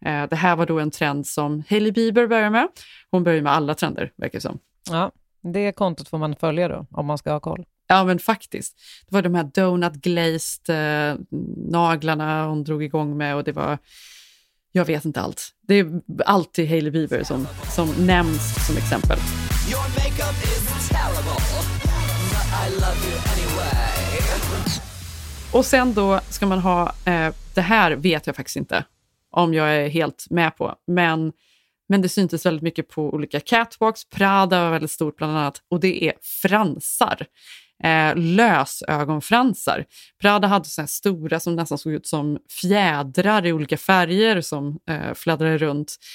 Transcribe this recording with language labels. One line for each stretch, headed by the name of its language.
Swedish: Det här var då en trend som Hailey Bieber började med. Hon började med alla trender, verkar som. Ja, det kontot får man följa då, om man ska ha koll. Ja, men faktiskt. Det var de här donut glazed naglarna hon drog igång med och det var, jag vet inte allt. Det är alltid Hailey Bieber som nämns som exempel.
English: Your makeup is terrible, but I love you anyway.
Swedish: Och sen då ska man ha, det här vet jag faktiskt inte om jag är helt med på. Men det syntes väldigt mycket på olika catwalks. Prada var väldigt stort bland annat. Och det är fransar. Lösögonfransar. Prada hade sådana stora som nästan såg ut som fjädrar i olika färger som fladdrade runt.